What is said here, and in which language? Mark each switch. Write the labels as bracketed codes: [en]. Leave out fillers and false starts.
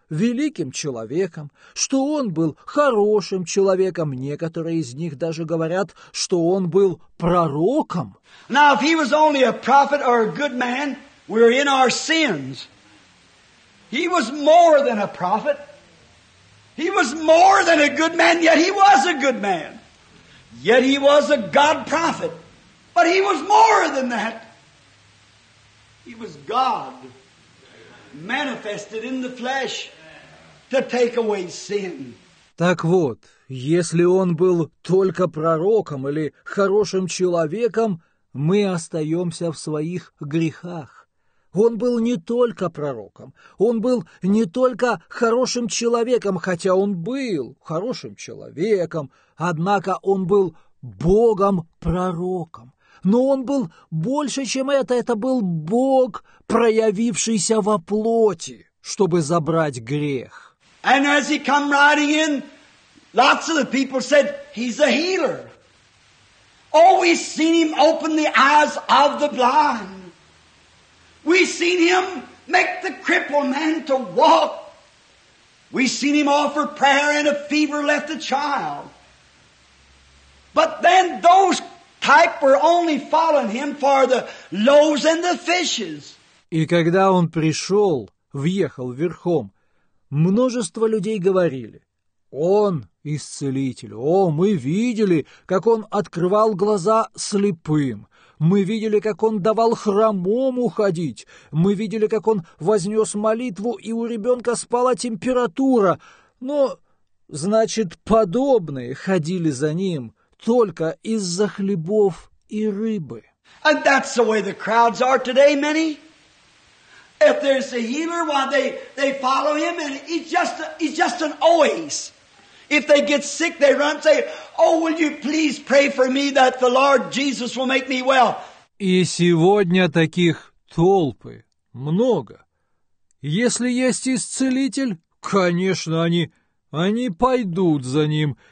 [ru] великим человеком, что он был хорошим человеком. Некоторые из них даже говорят, что он был пророком. [en] Now, if he was only a prophet or a good man, we're in our sins. He was more than a prophet. He was more than a good man, yet he was a good man. Yet he was a God prophet. But he was more than that. He was God manifested in the flesh to take away sin. [ru] Так вот, если он был только пророком или хорошим человеком, мы остаемся в своих грехах. Он был не только пророком, он был не только хорошим человеком, хотя он был хорошим человеком, однако он был Богом-пророком. Но он был больше, чем это был Бог, проявившийся во плоти, чтобы забрать грех. [en] And as he come riding in, lots of the people said, he's a healer. Always seen him open the eyes of the blind. We seen him make the crippled man to walk. We seen him offer prayer and a fever left a child. But then those type were only following him for the loaves and the fishes. [ru] И когда он пришел, въехал верхом, множество людей говорили: «Он исцелитель! О, мы видели, как он открывал глаза слепым! Мы видели, как он давал хромому ходить. Мы видели, как он вознес молитву, и у ребенка спала температура. Но, значит, подобные ходили за ним только из-за хлебов и рыбы». [en] And that's the way the crowds are today, many. If there's a healer, why they follow him, and he's just an always. If they get sick, they run and say, oh, will you please pray for me that the Lord Jesus will make me well. [ru] И сегодня таких толпы много. Если есть исцелитель, конечно, они пойдут за ним.